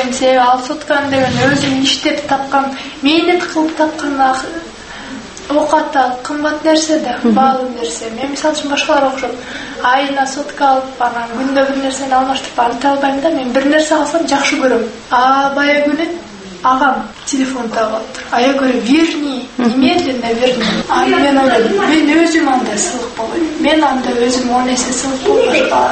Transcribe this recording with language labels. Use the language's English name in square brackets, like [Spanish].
[Kyrgyz] дейм, себеби ал соткан деген өзүн иштеп тапкан, мээнет кылып тапкан оокатта кымбат нерсе да, баалуу нерсе. Мен мисалы үчүн башкалар окшоп, айына сотка алып, анан күндө бир нерсени алмаштырып алта албайм да, мен бир нерсе алсам жакшы көрөм. А бая күнү агам телефон таап алыптыр. [Russian] А я говорю, верни, немедленно верни. [Kyrgyz] А мен ойлодум, мен өзүм андай сылык болоюн. Мен андай өзүм он эсе сылык болоюн.